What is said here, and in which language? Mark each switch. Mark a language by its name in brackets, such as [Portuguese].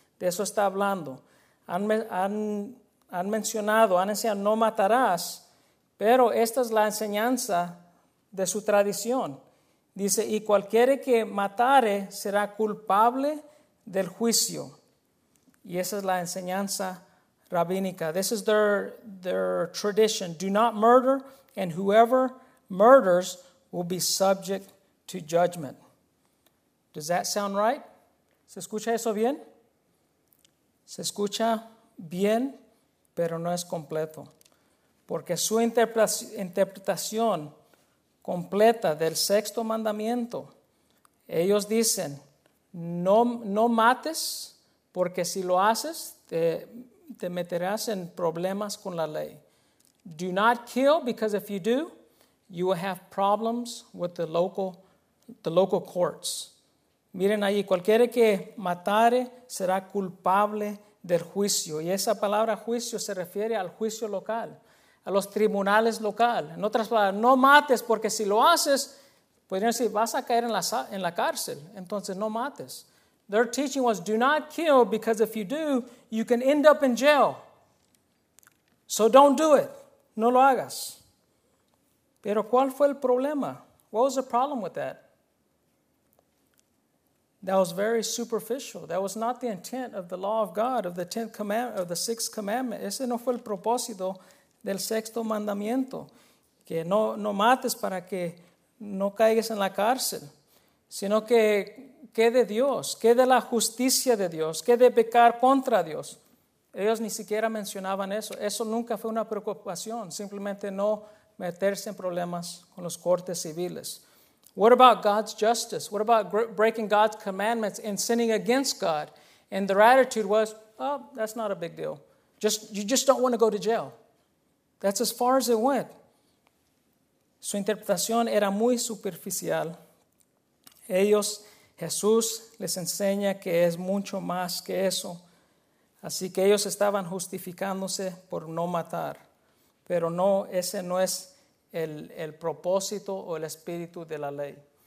[Spanish] De eso está hablando. Han mencionado, han enseñado, no matarás, pero esta es la enseñanza de su tradición. Dice, y cualquiera que matare será culpable del juicio. Y esa es la enseñanza rabínica. [English] This is their tradition. Do not murder, and whoever murders will be subject to judgment. Does that sound right? [Spanish] ¿Se escucha eso bien? Se escucha bien, pero no es completo. Porque su interpretación completa del sexto mandamiento, ellos dicen, no mates, porque si lo haces, te meterás en problemas con la ley. Do not kill, because if you do, you will have problems with the local courts. Miren ahí, cualquiera que matare será culpable del juicio. Y esa palabra juicio se refiere al juicio local, a los tribunales local. En otras palabras, no mates, porque si lo haces, podrían decir, vas a caer en la cárcel. Entonces, no mates. [English] Their teaching was, do not kill, because if you do, you can end up in jail. So don't do it. [Spanish] No lo hagas. Pero, ¿cuál fue el problema? [English] What was the problem with that? That was very superficial. That was not the intent of the law of God, of the 10th commandment, of the 6th commandment. [Spanish] Ese no fue el propósito del sexto mandamiento, que no mates para que no caigas en la cárcel, sino que quede Dios, quede la justicia de Dios, quede pecar contra Dios. Ellos ni siquiera mencionaban eso. Eso nunca fue una preocupación, simplemente no meterse en problemas con los cortes civiles. [English] What about God's justice? What about breaking God's commandments and sinning against God? And their attitude was, oh, that's not a big deal. You just don't want to go to jail. That's as far as it went. [Spanish] Su interpretación era muy superficial. Jesús les enseña que es mucho más que eso. Así que ellos estaban justificándose por no matar. Pero no, ese no es el propósito o el espíritu de la ley.